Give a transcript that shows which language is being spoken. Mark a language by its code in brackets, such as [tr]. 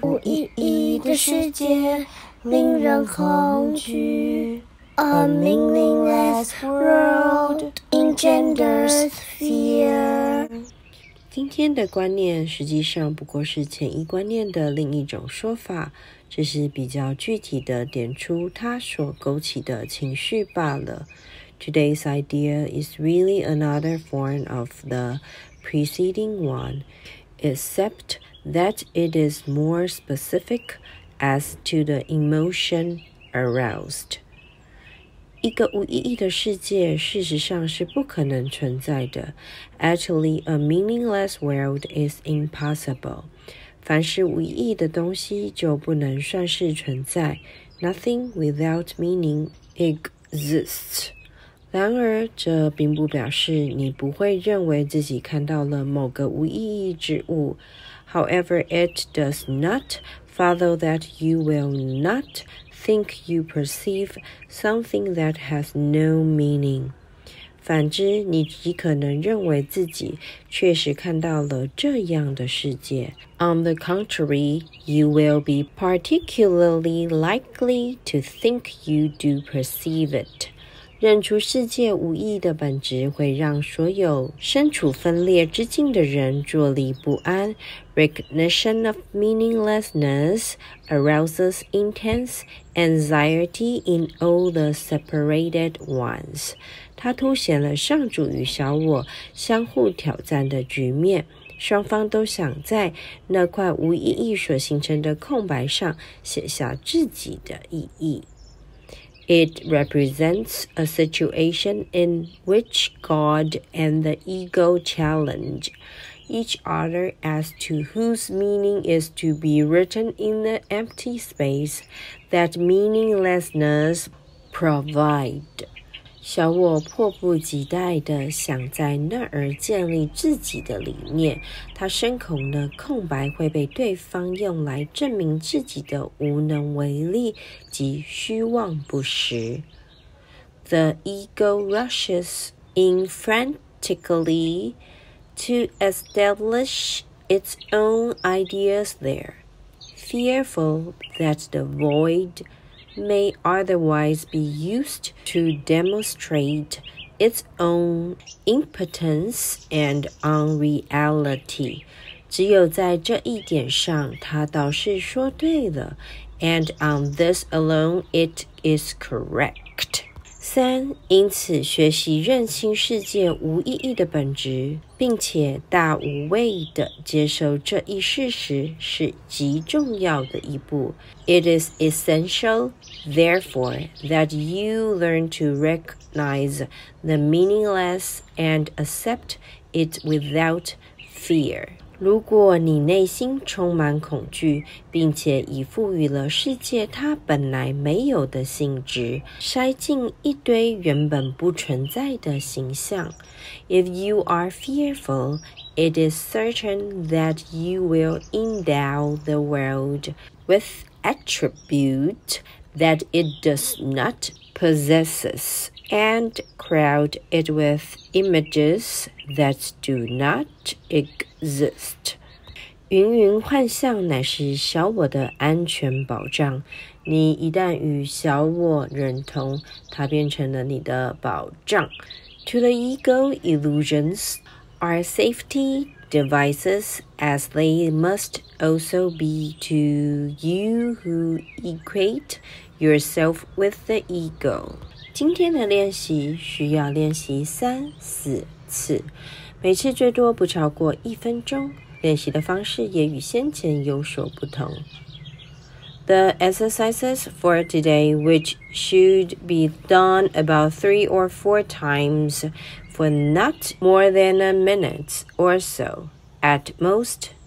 [zh] 无意义的世界令人恐惧， [en] A meaningless world engenders fear。 [zh] 今天的观念实际上不过是潜意观念的另一种说法，这是比较具体的点出它所勾起的情绪罢了。 [en] Today's idea is really another form of the preceding one, except that it is more specific as to the emotion aroused. [zh] 一个无意义的世界事实上是不可能存在的。 [en] Actually, a meaningless world is impossible. [zh] 凡是无意义的东西就不能算是存在。 [en] Nothing without meaning exists. [zh] 然而，这并不表示你不会认为自己看到了某个无意义之物。 [en] However, it does not follow that you will not think you perceive something that has no meaning. [zh] 反之，你极可能认为自己确实看到了这样的世界。 [en] On the contrary, you will be particularly likely to think you do perceive it. [zh] 认出世界无意义的本质会让所有身处分裂之境的人坐立不安。 [en] Recognition of meaninglessness arouses intense anxiety in all the separated ones. [zh] 它凸显了上主与小我相互挑战的局面。双方都想在那块无意义所形成的空白上写下自己的意义。 [en] It represents a situation in which God and the ego challenge each other as to whose meaning is to be written in the empty space that meaninglessness provide. [zh] 小我迫不及待地想在那儿建立自己的理念，他深恐的空白会被对方用来证明自己的无能为力及虚妄不实。 [en] The ego rushes in frantically to establish its own ideas there, fearful that the voidmay otherwise be used to demonstrate its own impotence and unreality. [zh] 只有在这一点上他倒是说对了， [en] and on this alone it is correct. [zh] 三，因此学习认清世界无意义的本质，并且大无畏地接受这一事实是极重要的一步。 [en] It is essential, therefore, that you learn to recognize the meaningless and accept it without fear. [zh] 如果你内心充满恐惧，并且已赋予了世界它本来没有的性质，塞进一堆原本不存在的形象， [en] If you are fearful, it is certain that you will endow the world with attribute that it does not possess and crowd it with images that do not exist. [zh] 芸芸幻象乃是小我的安全保障，你一旦与小我认同，它变成了你的保障。 [en] To the ego, illusions are safety devices as they must also be to you who equate yourself with the ego. [zh] 今天的练习需要练习三四次，每次最多不超过一分钟，练习的方式也与先前有所不同。 [en] The exercises for today, which should be done about 3 or 4 times for not more than a minute or so, at most